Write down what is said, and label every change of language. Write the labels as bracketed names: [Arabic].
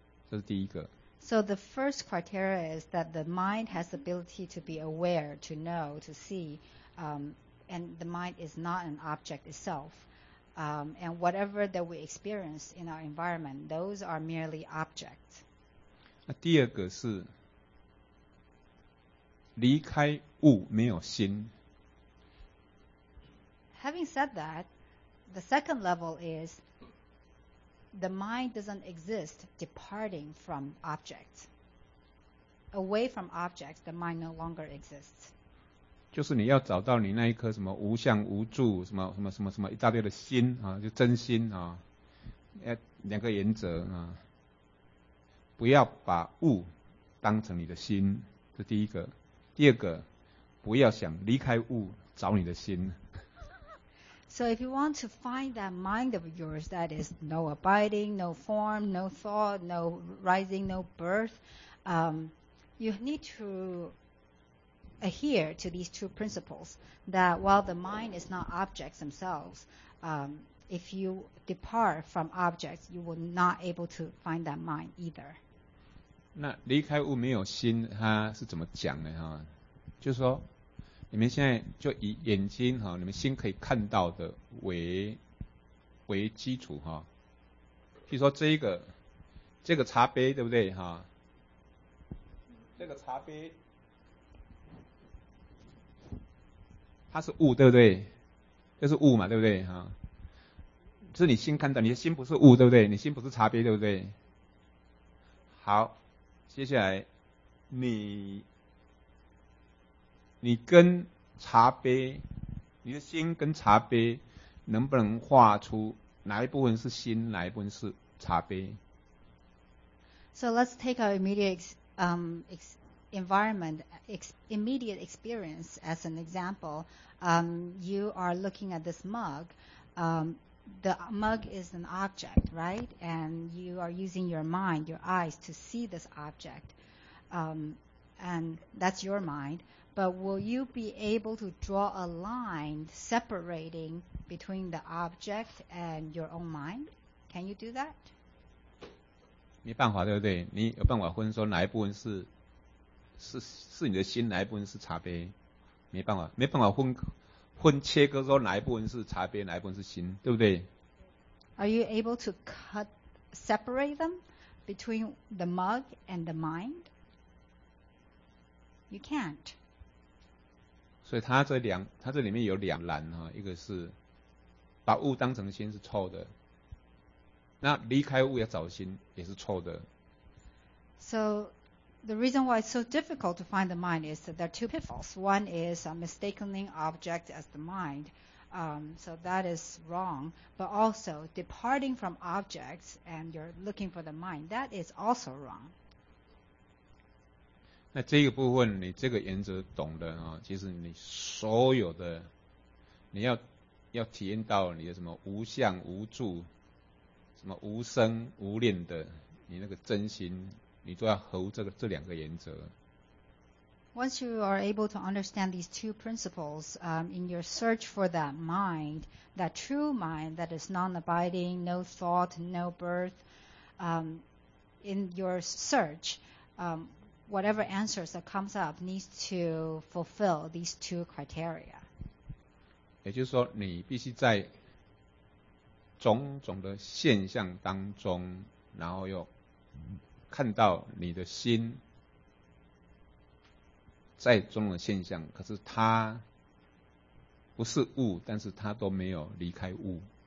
[Chinese] 这是第一个。 [English] So the first criteria is that the mind has the ability to be aware, to know, to see, and the mind is not an object itself. And whatever that we experience in our environment, those are merely objects. [Chinese] 那第二个是离开物没有心。 [English] Having said that, the second level is the mind doesn't exist departing from objects. Away from objects, the mind no longer exists. [Chinese] 就是你要找到你那一颗什么无相无住什么什么什么什么一大堆的心啊，就真心啊，两个原则啊，不要把物当成你的心，这第一个。第二个，不要想离开物找你的心。 [English] So if you want to find that mind of yours that is no abiding, no form, no thought, no rising, no birth, you need to adhere to these two principles that while the mind is not objects themselves, if you depart from objects, you will not able to find that mind either. [Chinese] 那离开物没有心，它是怎么讲的哈？就是说你们现在就以眼睛哈，你们心可以看到的为基础哈。譬如说这个茶杯对不对哈？这个茶杯它是物对不对？就是物嘛对不对哈？是你心看到，你的心不是物对不对？你心不是茶杯对不对？好，接下来你跟茶杯，你的心跟茶杯能不能画出哪一部分是心，哪一部分是茶杯 [English] ？So let's take our immediate immediate experience as an example. You are looking at this mug. The mug is an object, right? And you are using your mind, your eyes to see this object. And that's your mind. But will you be able to draw a line separating between the object and your own mind? Can you do that? [Chinese] 没办法，对不对？你有办法分说哪一部分是你的心，哪一部分是茶杯？没办法分切割说哪一部分是茶杯，哪一部分是心，对不对？ [English] Are you able to separate them between the mug and the mind? You can't. [Chinese] 所以它这里面有两栏哈，一个是把物当成心是错的，那离开物要找心也是错的。 [English] So the reason why it's so difficult to find the mind is that there are two pitfalls. One is a mistaking object as the mind, so that is wrong. But also departing from objects and you're looking for the mind, that is also wrong. [Chinese] 那这个部分你这个原则懂的啊，其实你所有的你要体验到你的什么无相无住什么无生无恋的你那个真心，你都要合乎这两个原则。 [English] Once you are able to understand these two principles, in your search for that mind, that true mind that is non-abiding, no thought, no birth, in your search, whatever answers that comes up needs to fulfill these two criteria. [Chinese] 也就是说你必须在种种的现象当中，然后又看到你的心在种种的现象，可是它不是物，但是它都没有离开物。